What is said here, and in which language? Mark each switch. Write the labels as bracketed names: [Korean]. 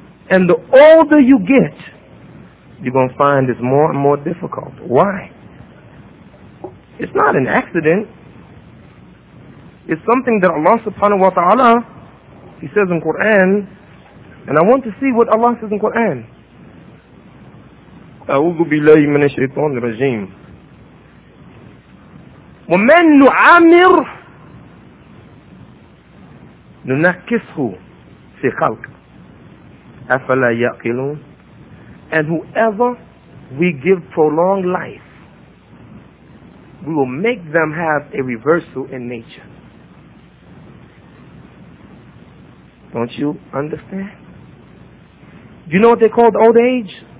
[English] And the older you get, you're going to find it's more and more difficult. Why? It's not an accident. It's something that Allah subhanahu wa ta'ala, He says in Quran, and I want to see what Allah says in Quran. [Arabic] أعوذ بالله من الشيطان الرجيم ومن نعمر ننكسه في خلق أفلا يعقلون. [English] And whoever we give prolonged life, we will make them have a reversal in nature. Don't you understand? You know what they call old age?